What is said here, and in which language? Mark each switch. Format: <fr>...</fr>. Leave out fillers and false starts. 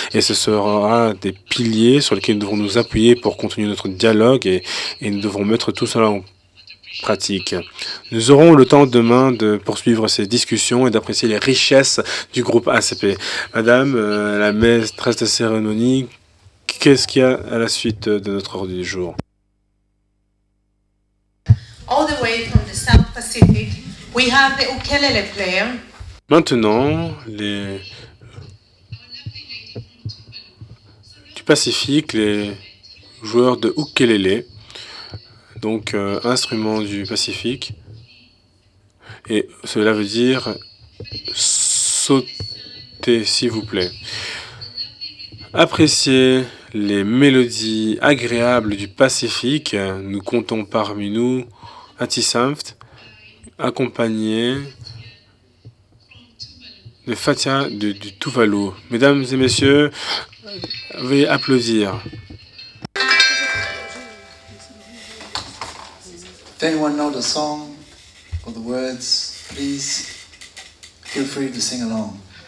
<fr>Et ce sera des piliers sur lesquels nous devons nous appuyer pour continuer notre dialogue et nous devons mettre tout cela en pratique. Nous aurons le temps demain de poursuivre ces discussions et d'apprécier les richesses du groupe ACP. Madame la maîtresse de cérémonie, qu'est-ce qu'il y a à la suite de notre ordre du jour?</fr> <en>All the way from the South Pacific, we have the ukulele player.</en> <fr>Maintenant, les du Pacifique, les joueurs de ukulele. Donc, instrument du Pacifique. Et cela veut dire sauter, s'il vous plaît. Appréciez les mélodies agréables du Pacifique. Nous comptons parmi nous Atisamft, accompagné de Fatia du Tuvalu. Mesdames et messieurs, veuillez applaudir.</fr> <en>If anyone knows the song or the words, please feel free to sing along.</en>